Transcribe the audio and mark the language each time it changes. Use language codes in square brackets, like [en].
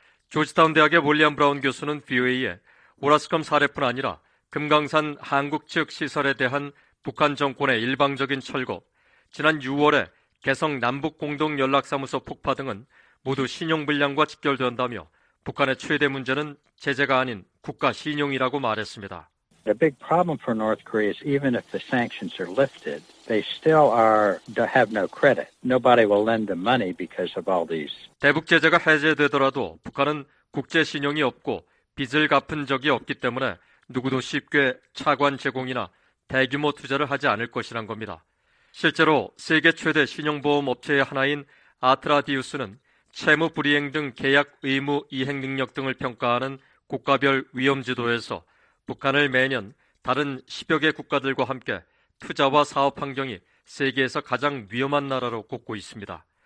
[ko] 조지타운 대학의 윌리엄 브라운 교수는 VOA에 오라스컴 사례뿐 아니라 금강산 한국 측 시설에 대한 북한 정권의 일방적인 철거, 지난 6월에 개성 남북공동연락사무소 폭파 등은 모두 신용불량과 직결된다며 북한의 최대 문제는 제재가 아닌 국가 신용이라고 말했습니다. [en] The big problem for North Korea is even if the sanctions are lifted, they still are have no credit. Nobody will lend them money because of all these. [ko] 대북 제재가 해제되더라도 북한은 국제 신용이 없고 빚을 갚은 적이 없기 때문에 누구도 쉽게 차관 제공이나 대규모 투자를 하지 않을 것이란 겁니다. 실제로 세계 최대 신용보험 업체의 하나인 아트라디우스는 채무 불이행 등 계약 의무 이행 능력 등을 평가하는 국가별 위험 지도에서 북한을 매년 다른 10여 개 국가들과 함께 투자와 사업 환경이 세계에서 가장 위험한 나라로 꼽고 있습니다.